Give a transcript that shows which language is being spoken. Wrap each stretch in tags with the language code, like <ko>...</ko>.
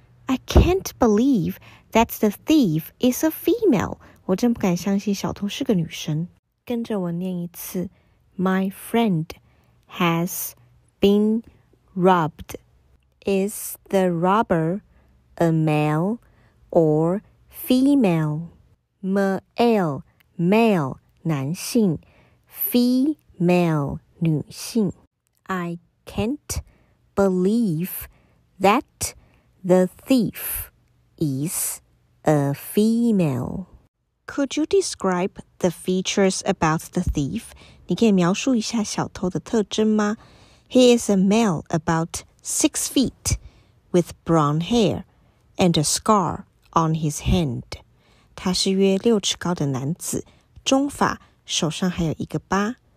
<en>I can't believe that the thief is a female.</en> <zh>我真不敢相信小偷是个女生。跟着我念一次</zh> <en>My friend has been robbed. Is the robber a male or female? Male, male, 男性 Female, 女性 I can't believe that the thief is a female. Could you describe the features about the thief?</en> <zh>你可以描述一下小偷的特征吗?</zh> <en>He is a male about 6 feet with brown hair and a scar on his hand.</en> <zh>他是约六尺高的男子,中发,手上还有一个疤。</zh>